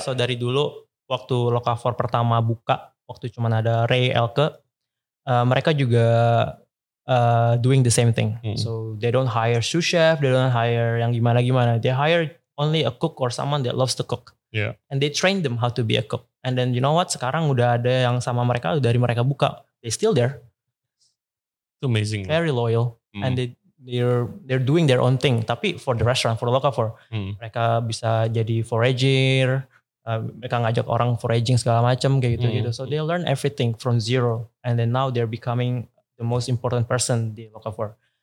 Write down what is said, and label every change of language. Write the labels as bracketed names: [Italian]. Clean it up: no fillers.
[Indonesian] So dari dulu waktu Locafor pertama buka, waktu cuma ada Ray Elke, mereka juga [English] doing the same thing. So they don't hire sous chef, they don't hire [Indonesian] yang gimana-gimana. [English] They hire only a cook or someone that loves to cook. Yeah. And they train them how to be a cook. And then you know what? [Indonesian] Sekarang udah ada yang sama mereka dari mereka buka. [English] They still there. It's amazing. Very loyal, and they're doing their own thing. [Indonesian] Tapi [English] for the restaurant, [Indonesian] for Locafor, mereka bisa jadi forager. Mereka ngajak orang foraging segala macam kayak gitu gitu. [English] So they learn everything from zero, and then now they're becoming the most important person di Locafor.